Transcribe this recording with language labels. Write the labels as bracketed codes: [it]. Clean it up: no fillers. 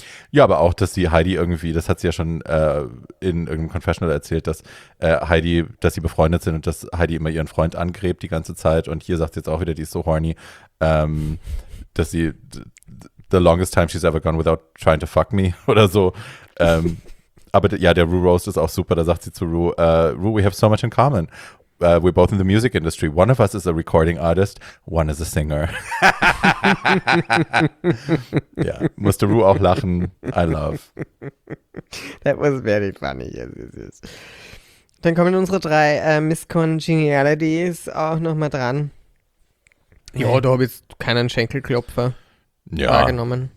[de] Ja, aber auch, dass sie Heidi irgendwie, das hat sie ja schon in irgendeinem Confessional erzählt, dass Heidi, dass sie befreundet sind und dass Heidi immer ihren Freund angräbt die ganze Zeit. Und hier sagt sie jetzt auch wieder, die ist so horny, dass sie, [en] the longest time she's ever gone without trying to fuck me [de] oder so. aber ja, der Ru Roast ist auch super, da sagt sie zu Ru, Ru, [en] we have so much in common. We're both in the music industry. One of us is a recording artist, one is a singer. [de] Ja, musste Ru auch lachen. [en] I love. That was very funny. Yes, yes, yes. [de] Dann kommen unsere drei Miss Congenialities auch nochmal dran. Ja, da habe ich keinen Schenkelklopfer wahrgenommen.